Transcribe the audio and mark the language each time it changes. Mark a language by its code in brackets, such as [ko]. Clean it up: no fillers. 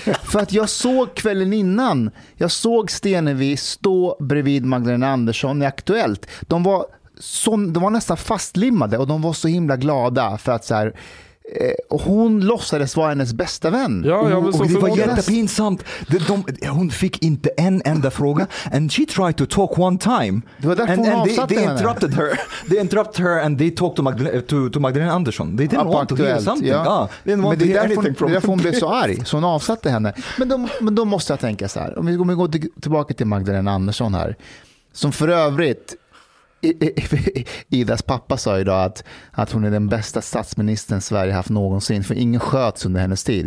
[sv] För att jag såg kvällen innan. Jag såg Stenevi stå bredvid Magdalena Andersson i Aktuellt. De var nästan fastlimmade. Och de var så himla glada. För att så här, hon låtsades vara hennes bästa vän. Ja, men och det var jättepinsamt. Hon fick inte en enda fråga. [en] And she tried to talk one time. [sv] Det var därför hon avsatte henne. [en] They interrupted her. They interrupted her and they talked to Magdalena Andersson. They didn't want to hear something. [sv] Ja. Det är därför hon blev så arg. Så hon avsatte henne. Men då måste jag tänka så här. Om vi går tillbaka till Magdalena Andersson här. Som för övrigt... Idas pappa sa idag att hon är den bästa statsministern Sverige haft någonsin, för ingen sköts under hennes tid.